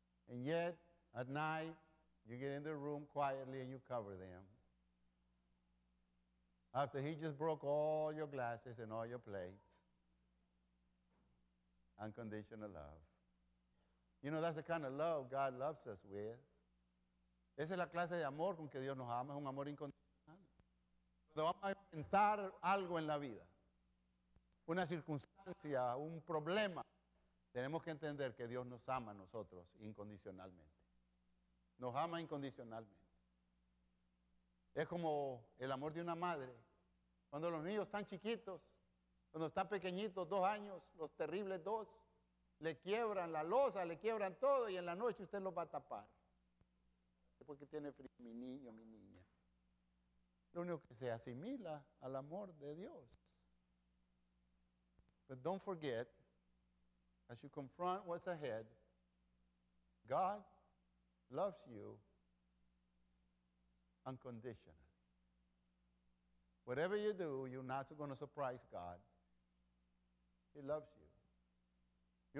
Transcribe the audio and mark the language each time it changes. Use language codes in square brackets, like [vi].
[en] And yet, at night, you get in the room quietly and you cover them. After he just broke all your glasses and all your plates. Unconditional love. You know, that's the kind of love God loves us with. [es] Esa es la clase de amor con que Dios nos ama, es un amor incondicional. Cuando vamos a enfrentar algo en la vida, una circunstancia, un problema, tenemos que entender que Dios nos ama a nosotros incondicionalmente. Nos ama incondicionalmente. Es como el amor de una madre. Cuando los niños están chiquitos, cuando están pequeñitos, 2 años, los terribles 2, le quiebran la losa, le quiebran todo y en la noche usted los va a tapar. Después que tiene frío, mi niño, mi niña. Lo único que se asimila al amor de Dios. [en] But don't forget, as you confront what's ahead, God loves you unconditionally. Whatever you do, you're not going to surprise God. He loves you.